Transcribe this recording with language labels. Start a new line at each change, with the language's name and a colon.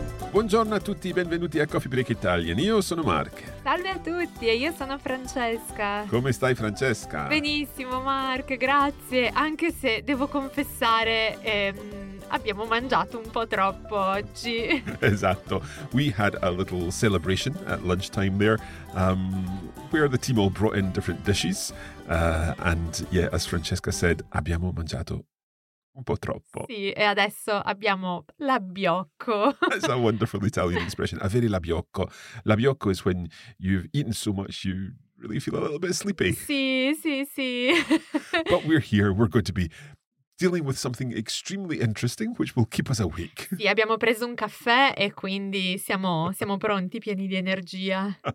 Italian: Buongiorno a tutti, benvenuti a Coffee Break Italian. Io sono Mark. Salve a tutti, e io sono Francesca. Come stai, Francesca? Benissimo, Mark, grazie. Anche se devo confessare, abbiamo mangiato un po' troppo oggi. Esatto.
English: We had a little celebration at lunchtime there, where the team all brought in different dishes. As Francesca said,
Italian: abbiamo mangiato un po' troppo. Sì, e adesso abbiamo l'abbiocco.
English: That's a wonderful Italian expression.
Italian: Avere l'abbiocco.
English: L'abbiocco is when you've eaten so much you really feel a little bit sleepy.
Italian: Sì, sì, sì.
English: But we're here. We're going to be dealing with something extremely interesting, which will keep us awake.
Italian: Sì, abbiamo preso un caffè e quindi siamo pronti, pieni di energia.